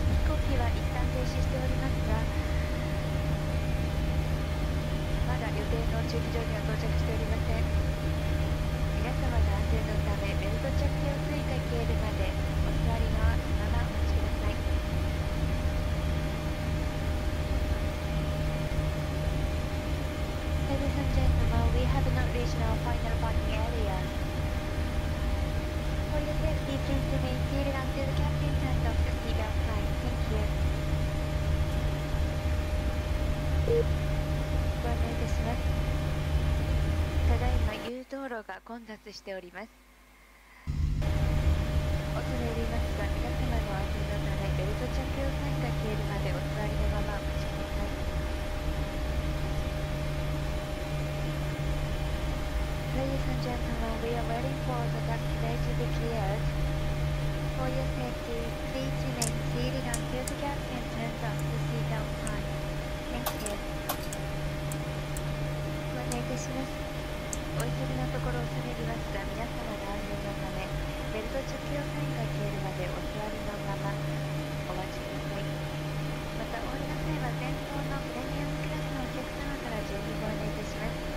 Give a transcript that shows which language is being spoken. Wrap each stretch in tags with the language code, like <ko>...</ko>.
<ja>飛行機は一旦停止しておりますが、まだ予定の駐機場には到着しておりません。皆様の安全のため、ベルト着用スイッチが消えるまで、お座りのままお待ちください。</ja> <en>Ladies and gentlemen, we have not reached our final parking area. For your safety, please remain seated until the captain turns off the seatbelt sign. Thank you.</en> <ja>ご案内いたします。ただいま誘導路が混雑しております。恐れ入りますが、皆様の安全のため、ベルト着用サインが消えるまでお座りのままお待ちください。</ja> <en>Ladies and gentlemen, we are waiting for the taxi bay to be cleared. For your safety, please remain seated until the captain turns off the seatbelt sign. Thank you.</en> <ja>お願いいたします。お急ぎのところ恐れ入りますが、皆様の安全のため、ベルト着用サインが消えるまでお座りのままお待ちください。また、降りの際は前方のプレミアムクラスのお客様から順にご案内いたします。</ja>